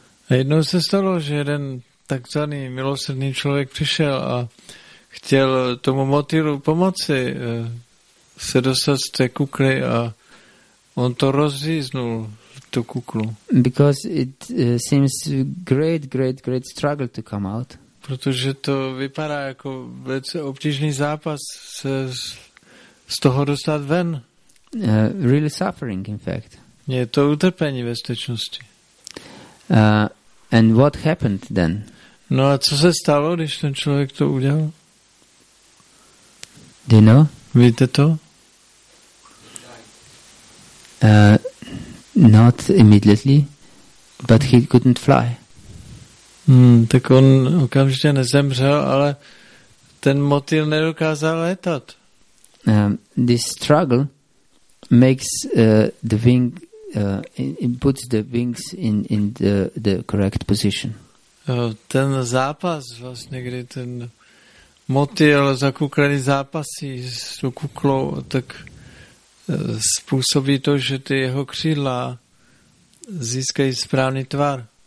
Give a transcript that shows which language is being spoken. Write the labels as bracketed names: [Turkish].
[Czech] A jednou se stalo, že jeden takzvaný milosrdný člověk přišel a chtěl tomu motýlu pomoci se dostat z té kukly a on to rozříznul. [English] Because it seems great struggle to come out. [Czech] Protože to vypadá jako velice obtížný zápas se z toho dostat ven. [English] Really suffering, in fact. [Czech] Je to utrpení ve skutečnosti. [English] And what happened then? [Czech] No a co se stalo, když ten člověk to udělal? [English] Do you know? [Czech] Víte to? [English] Not immediately, but he couldn't fly. [Czech] Tak on okamžitě nezemřel, ale ten motýl nedokázal létat. [English] This struggle makes the wing, it puts the wings in the correct position. [Czech] Ten zápas vlastně, kdy ten motýl zakuklený zápasí s tou kuklou, tak způsobí to, že ty jeho křídla získají správný tvar.